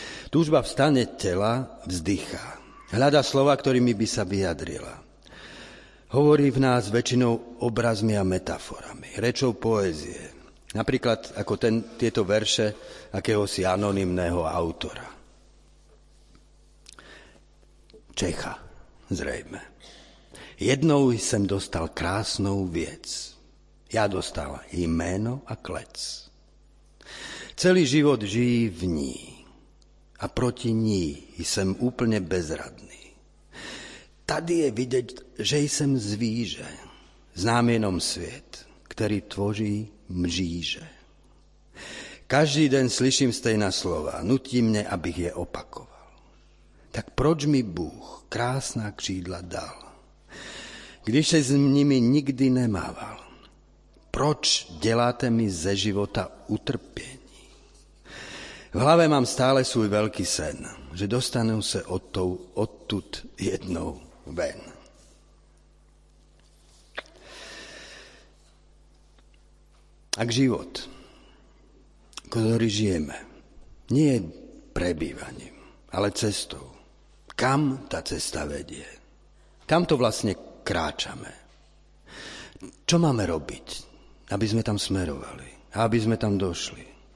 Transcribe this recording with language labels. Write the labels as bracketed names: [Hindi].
[Slovak] Túžba vstane tela, vzdychá. Hľada slova, ktorými by sa vyjadrila. Hovorí v nás väčšinou obrazmi a metaforami, rečou poézie. Napríklad ako tieto verše akéhosi anonymného autora. Čecha, zrejme. [Czech] Jednou jsem dostal krásnou věc. Já dostal jméno a klec. Celý život žijí v ní a proti ní jsem úplně bezradný. Tady je vidět, že jsem zvíže, znám jenom svět, který tvoří mříže. Každý den slyším stejná slova, nutí mě, abych je opakoval. Tak proč mi Bůh krásná křídla dal? Když se s nimi nikdy nemával, proč děláte mi ze života utrpění? V hlavě mám stále svůj velký sen, že dostanu se odtud jednou ven. [Slovak] Ak život, ktorý žijeme, nie je prebývaním, ale cestou, kam ta cesta vedie? Kam to vlastne kráčame. Čo máme robiť, aby sme tam smerovali a aby sme tam došli?